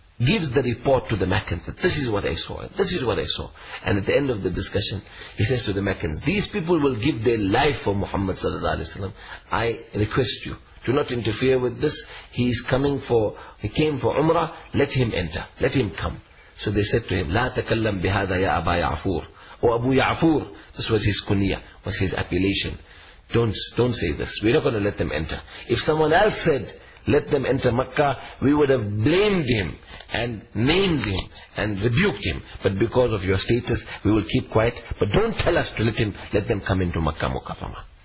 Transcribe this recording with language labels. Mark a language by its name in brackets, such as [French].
[English] gives the report to the Meccans. This is what I saw. This is what I saw. And at the end of the discussion, he says to the Meccans, these people will give their life for Muhammad sallallahu alaihi wasallam. I request you, do not interfere with this. He is coming for, he came for Umrah. Let him enter. Let him come. So they said to him, [Arabic] لا تكلم بهذا يا أبا يعفور. [English] Or Abu Ya'fur. This was his kunya, was his appellation. Don't say this. We're not going to let them enter. If someone else said, let them enter Makkah, we would have blamed him and named him and rebuked him. But because of your status, we will keep quiet. But don't tell us to let them come into Makkah Mukarramah.